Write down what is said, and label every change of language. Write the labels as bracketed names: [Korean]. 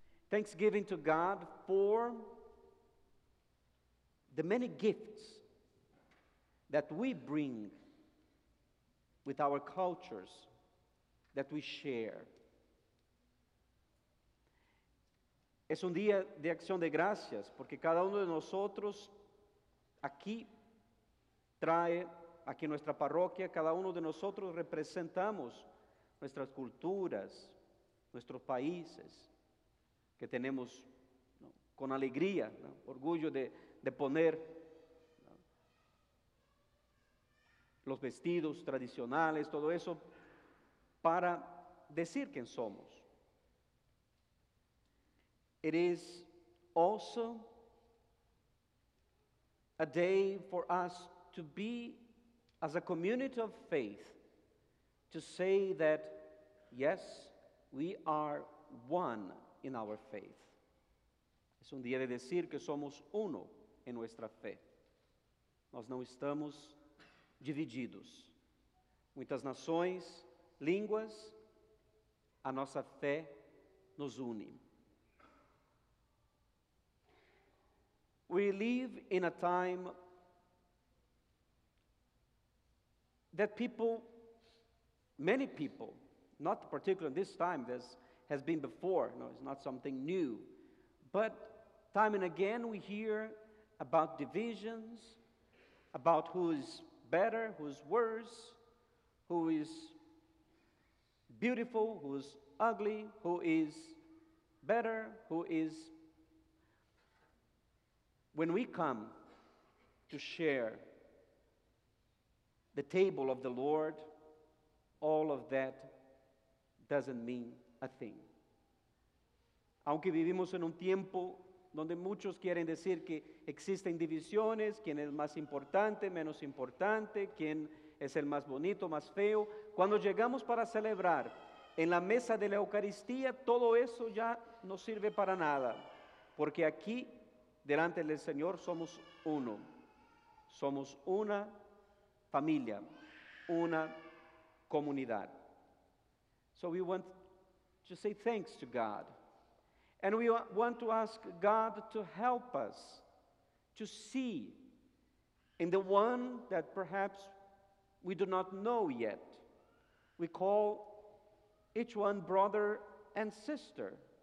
[English] Thanksgiving to God for the many gifts that we bring with our cultures that we share. [Spanish] Es un día de acción de gracias, porque cada uno de nosotros aquí trae, aquí en nuestra parroquia, cada uno de nosotros representamos nuestras culturas, nuestros países, que tenemos, ¿no?, con alegría, ¿no?, orgullo de poner, ¿no?, los vestidos tradicionales, todo eso, para decir quién somos. [English] It is also a day for us to be, as a community of faith, to say that, yes, we are one in our faith. [Spanish] Es un día de decir que somos uno en nuestra fe. [Portuguese] Nós não estamos divididos. Muitas nações, línguas, a nossa fé nos une. [English] We live in a time that people, many people, not particularly this time, this has been before, no, it's not something new, but time and again we hear about divisions, about who is better, who is worse, who is beautiful, who is ugly, who is better, who is... When we come to share the table of the Lord, all of that doesn't mean a thing. [Spanish] Aunque vivimos en un tiempo donde muchos quieren decir que existen divisiones, quién es más importante, menos importante, quién es el más bonito, más feo, cuando llegamos para celebrar en la mesa de la Eucaristía, todo eso ya no sirve para nada, porque aquí delante del Señor somos uno, somos una familia, una comunidad. [English] So we want to say thanks to God. And we want to ask God to help us to see in the one that perhaps we do not know yet. We call each one brother and sister.